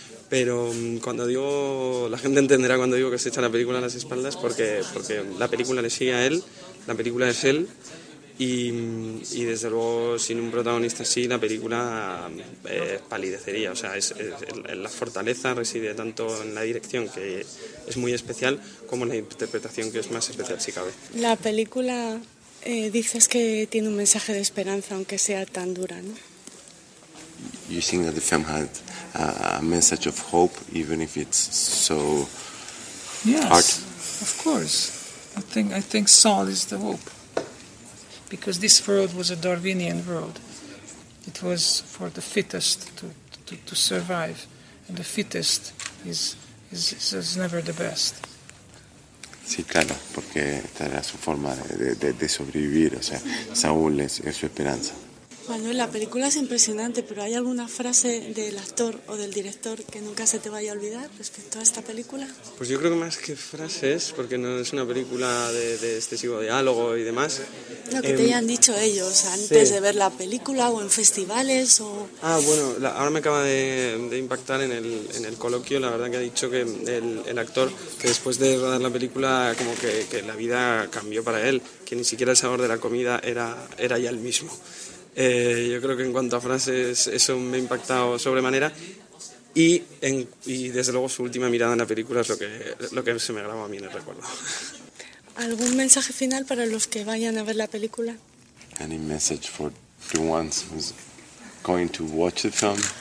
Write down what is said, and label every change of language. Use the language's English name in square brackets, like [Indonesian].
[Spanish] Pero cuando digo, la gente entenderá cuando digo que se echa la película a las espaldas, porque la película le sigue a él, la película es él, y desde luego sin un protagonista así la película palidecería. O sea, es la fortaleza reside tanto en la dirección, que es muy especial, como en la interpretación, que es más especial si cabe. La película, dices que tiene un mensaje de esperanza, aunque sea tan dura, ¿no? [English] You think that the film had a message of hope, even if it's so hard? Yes, of course. I think Saul is the hope, because this world was a Darwinian world. It was for the fittest to survive, and the fittest is never the best. [Spanish] Sí, claro, porque esta era su forma de sobrevivir. O sea, Saúl es su esperanza. Manuel, la película es impresionante, pero ¿hay alguna frase del actor o del director que nunca se te vaya a olvidar respecto a esta película? Pues yo creo que más que frases, porque no es una película de excesivo diálogo y demás. Lo que te hayan dicho ellos antes, sí, de ver la película o en festivales o... Ah, bueno, ahora me acaba de impactar en el coloquio, la verdad que ha dicho que el actor, que después de rodar la película, como que la vida cambió para él, que ni siquiera el sabor de la comida era ya el mismo. Yo creo que en cuanto a frases eso me ha impactado sobremanera, y desde luego su última mirada en la película es lo que se me grabó a mí en el recuerdo. ¿Algún mensaje final para los que vayan a ver la película? [English] Any message for the ones who's going to watch the film?